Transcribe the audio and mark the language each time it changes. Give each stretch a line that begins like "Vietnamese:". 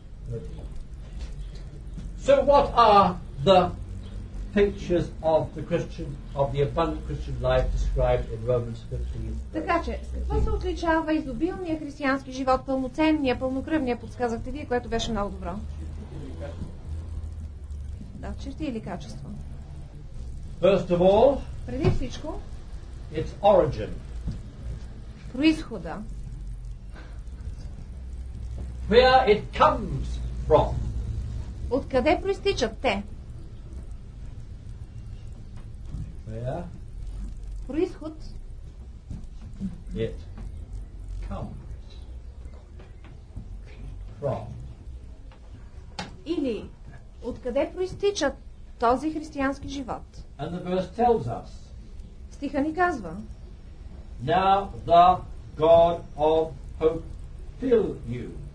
English: 13. So what are the pictures of the Christian, of the abundant Christian life described in Romans 15.
Bulgarian: Така че, с какво се отличава изобилния християнски живот, пълноценния, пълнокръвния, подсказахте вие, което беше много добро? Да, черти или качество?
English: First of all,
Bulgarian: преди всичко,
English: its origin.
Bulgarian: Произхода.
English: Where it comes from.
Bulgarian: Откъде проистичат те? Происход.
English: It comes from.
Bulgarian: Или откъде проистича този християнски живот?
English: And the verse tells us.
Bulgarian: Стиха ни казва.
English: Now the God of hope fill you.